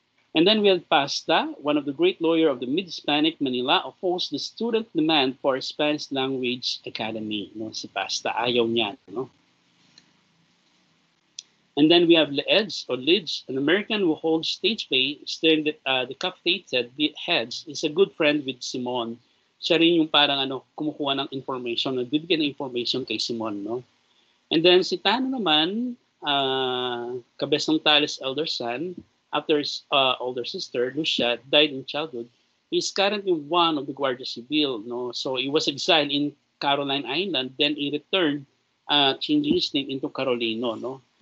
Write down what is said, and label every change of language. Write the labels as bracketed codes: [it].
[en] And then we had Pasta, one of the great lawyer of the mid-Hispanic Manila, opposed the student demand for a Spanish language academy. [tl] No, si Pasta, ayaw niya, no? [en] And then we have Lidge, an American who holds stage pay, staring at the decapitated heads. He's a good friend with Simon. [tl] Siya rin yung parang ano, kumukuha ng information, nagbibigay ng information kay Simon, no? [en] And then si Tano naman, Cabezantales' elder son, after his older sister, Lucia, died in childhood, he's currently one of the Guardia Civil, no? So he was exiled in Caroline Island, then he returned, changing his name into Carolino, no?